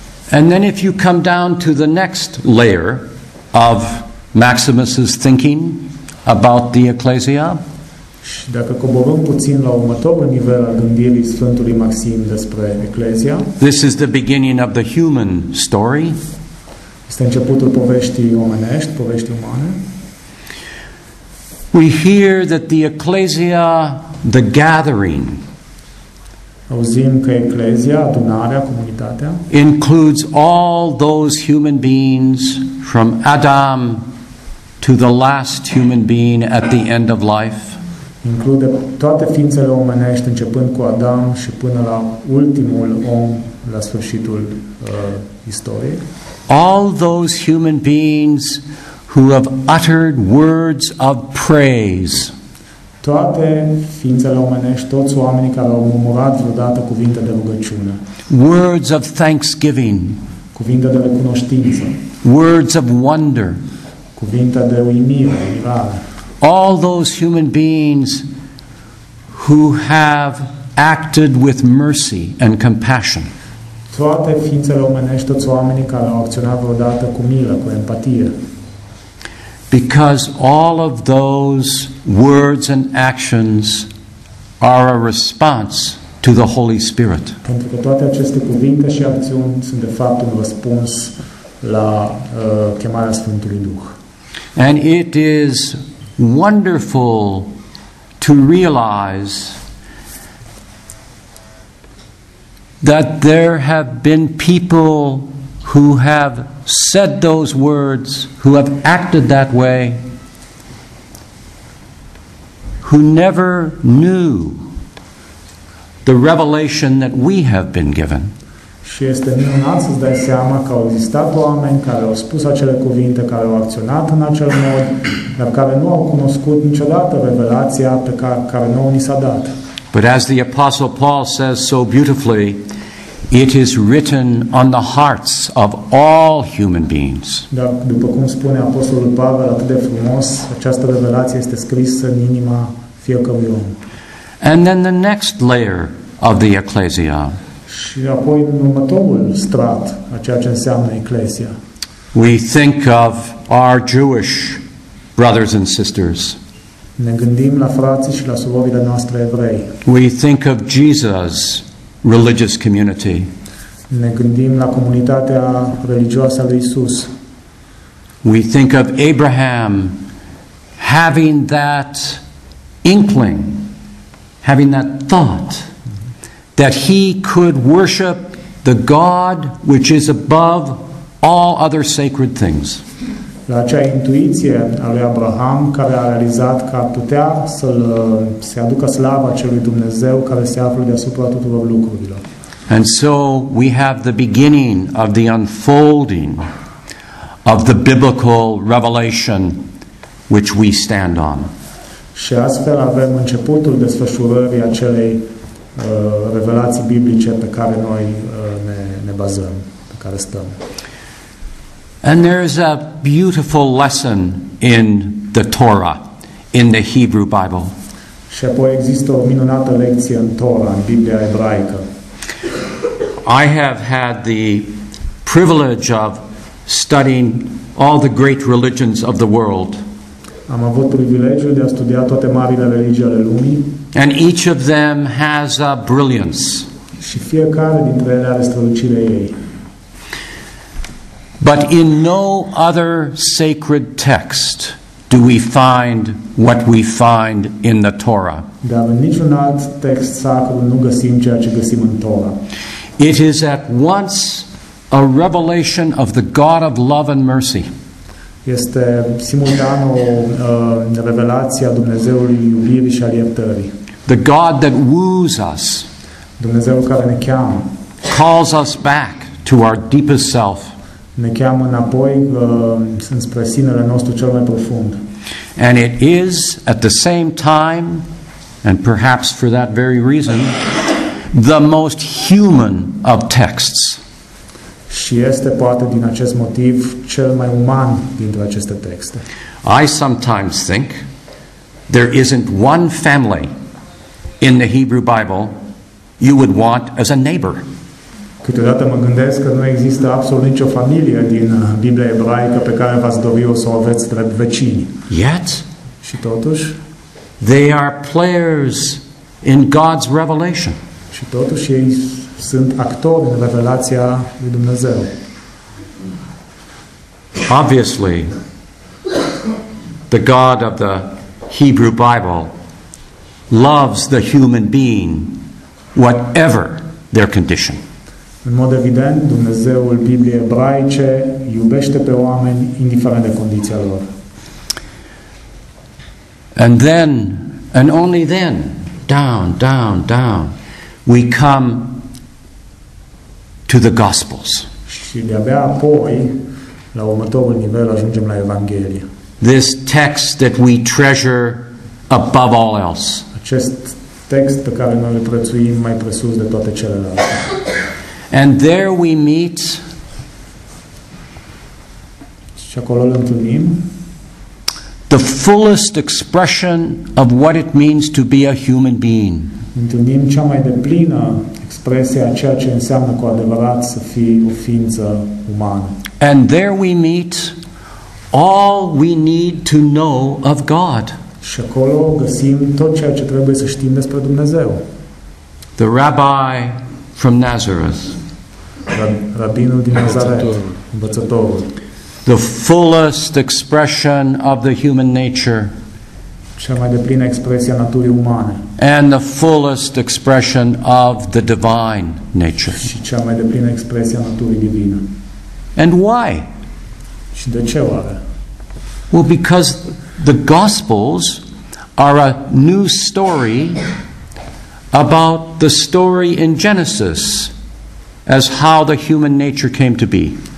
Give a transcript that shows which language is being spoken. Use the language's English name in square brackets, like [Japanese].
[English] And then if you come down to the next layer of Maximus's thinking about the ecclesia. [Romanian] Și dacă coborăm puțin la următorul nivel al gândirii Sfântului Maxim despre eclezia. [English] This is the beginning of the human story. [Romanian] Este începutul poveștii omenești, poveștii umane. [English] We hear that the ecclesia, the gathering, [Romanian] auzim că eclezia, adunarea, comunitatea, [English] includes all those human beings from Adam to the last human being at the end of life. [Romanian] Include toate ființele omenești, începând cu Adam și până la ultimul om la sfârșitul istoriei. [English] All those human beings who have uttered words of praise. [Romanian] Toate ființele omenești, toți oamenii care au murmurat vreodată cuvinte de rugăciune. [English] Words of thanksgiving. [Romanian] Cuvinte de recunoștință. [English] Words of wonder. [Romanian] Cuvinte de uimire, mirare. [English] All those human beings who have acted with mercy and compassion. [Romanian] Toate ființele omenești, toți oamenii care au acționat vreodată cu milă, cu empatie. [English] Because all of those words and actions are a response to the Holy Spirit. [Romanian] Pentru că toate aceste cuvinte și acțiuni sunt de fapt un răspuns la chemarea Sfântului Duh. [English] And it is wonderful to realize that there have been people who have said those words, who have acted that way, who never knew the revelation that we have been given. [Romanian] Și este minunat să-ți dai seama că au existat oameni care au spus acele cuvinte, care au acționat în acel mod, dar care nu au cunoscut niciodată revelația pe care nouă ni s-a dat. [English] But as the Apostle Paul says so beautifully, it is written on the hearts of all human beings. [Romanian] Dar după cum spune Apostolul Pavel atât de frumos, această revelație este scrisă în inima fiecărui om. [English] And then the next layer of the ecclesia. [Romanian] Și apoi în următorul strat a ceea ce înseamnă eclesia. [English] We think of our Jewish brothers and sisters. [Romanian] Ne gândim la frații și la surorile noastre evrei. [English] We think of Jesus religious community. [Romanian] Ne gândim la comunitatea religioasă a lui Isus. [English] We think of Abraham having that inkling, having that thought that he could worship the God which is above all other sacred things. [Romanian] La acea intuiție a lui Abraham, care a realizat că ar putea să aducă slava celui Dumnezeu care se află deasupra tuturor lucrurilor. [English] And so we have the beginning of the unfolding of the biblical revelation which we stand on. [Romanian] Și astfel avem începutul desfășurării acelei revelații biblice pe care noi ne bazăm, pe care stăm. [English] And there is a beautiful lesson in the Torah, in the Hebrew Bible. [Romanian] Și apoi există o minunată lecție în Torah, în Biblia ebraică. [English] I have had the privilege of studying all the great religions of the world. [Romanian] Am avut privilegiul de a studia toate marile religii ale lumii. [English] And each of them has a brilliance. [Romanian] Și fiecare dintre ele are strălucirea ei. [English] But in no other sacred text do we find what we find in the Torah. [Romanian] Dar în niciun alt text sacru nu găsim ceea ce găsim în Torah. [English] It is at once a revelation of the God of love and mercy. [Romanian] Este simultan o revelație a Dumnezeului iubirii și al iertării. [English] The God that woos us. [Romanian] Dumnezeul care ne cheamă. [English] Calls us back to our deepest self. [Romanian] Ne cheamă înapoi spre sinele nostru cel mai profund. [English] And it is at the same time, and perhaps for that very reason, the most human of texts. [Romanian] Și este poate din acest motiv cel mai uman dintre aceste texte. [English] I sometimes think there isn't one family in the Hebrew Bible you would want as a neighbor. [Romanian] Câteodată mă gândesc că nu există absolut nicio familie din Biblia ebraică pe care v-ați dori o să o aveți drept vecini. [English] Yet, [Romanian] și totuși, [English] they are players in God's revelation. [Romanian] Și totuși ei sunt actori în revelația lui Dumnezeu. [English] Obviously, the God of the Hebrew Bible loves the human being whatever their condition. [Romanian] În mod evident, Dumnezeul Bibliei ebraice iubește pe oameni indiferent de condiția lor. [English] And then, and only then, down, down, down, we come to the Gospels. [Romanian] Și de-abia apoi, la următorul nivel, ajungem la Evanghelie. [English] This text that we treasure above all else. [Romanian] Acest text pe care noi îl prețuim mai presus de toate celelalte. [English] And there we meet. [Romanian] Și acolo îl întâlnim. [English] The fullest expression of what it means to be a human being. [Romanian] Întâlnim cea mai deplină expresie a ceea ce înseamnă cu adevărat să fii o ființă umană. [English] And there we meet all we need to know of God. [Romanian] Și acolo găsim tot ceea ce trebuie să știm despre Dumnezeu. [English] The rabbi from Nazareth. [Romanian] Rabinul din Nazaret, învățătorul. [English] The fullest expression of the human nature. [Romanian] Cea mai deplină expresie a naturii umane. [English] And the fullest expression of the divine nature. [Romanian] Și cea mai deplină expresie a naturii divine. [English] And why? [Romanian] Și de ce oare? [English] Well, because the Gospels are a new story about the story in Genesis as how the human nature came to be.